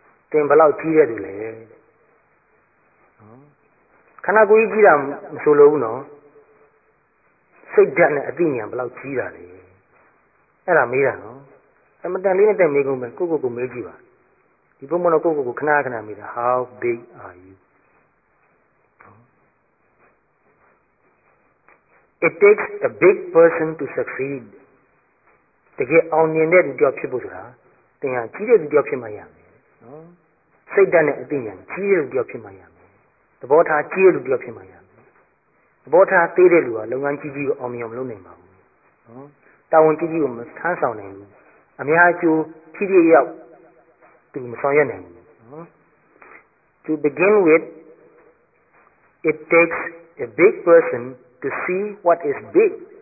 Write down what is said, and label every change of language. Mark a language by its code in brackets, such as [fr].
[my] သင်ဘလောက်ကြီးရတယ်လဲ။ခန္ဓာကိုယ်ကြီးကြီးတာမဆိုလို့ဘူးနော်။စိတ်ဓာတ်နဲ့အသိဉာဏ်ဘလောက်ကြီးတာလဲ။အဲ့ဒါမေးတာနော်။အမတန်လေးနဲ့တက်မေးကုန်မယ်။ကိုယ့်ကိုယ်ကိုမေးကြည့်ပါ။ဒီပုံမှန်တော့ကိုယ့်ကိုယ်ကိုခဏခဏမေးတာ [en] How big are you? It takes a big person to succeed. [my] တကယ်အောင်မြင်တဲ့သူတယောက်ဖြစ်ဖို့ဆိုတာသင်ဟာကြီးတဲ့သူတယောက်ဖြစ်မှရမယ်နော်စိတ်ဓာတ်နဲ့အသိဉာဏ်ကြီးတဲ့သူတယောက်ဖြစ်မှရမယ်သဘောထားကြီးတဲ့သူတယောက်ဖြစ်မှရမယ်သဘောထားသေးတဲ့လူကလုပ်ငန်းကြီးကြီးကိုအောင်မြင်အောင်လုပ်နိုင်ပါဘူးနော်တာဝန်ကြီးကြီးကိုမဆန်းဆောင်နိုင်ဘူးအများကျိုးကြီးကြီးရောက်သူမဆောင်ရွက်နိုင်ဘူးနော် [en] To begin with it takes a big personTo see what is big.